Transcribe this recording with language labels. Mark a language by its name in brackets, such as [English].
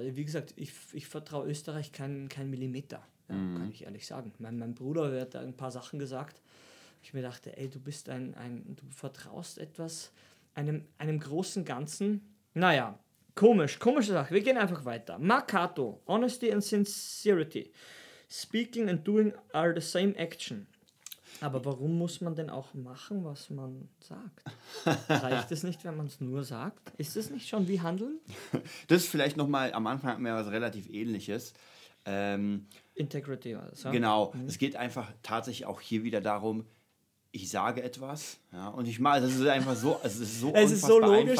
[German] Weil wie gesagt, ich vertraue Österreich kein Millimeter, kann ich ehrlich sagen. Mein Bruder hat da ein paar Sachen gesagt. Ich mir dachte, ey, du bist du vertraust etwas einem großen Ganzen. Naja, komische Sache. Wir gehen einfach weiter. [English] Mercato, honesty and sincerity. Speaking and doing are the same action. [German] Aber warum muss man denn auch machen, was man sagt? Reicht es nicht, wenn man es nur sagt? Ist es nicht schon wie handeln? Das ist vielleicht nochmal, am Anfang hatten wir was relativ Ähnliches. Integrity war das, ja? Genau, es geht einfach tatsächlich auch hier wieder darum, ich sage etwas, ja, und ich mache, es ist so logisch,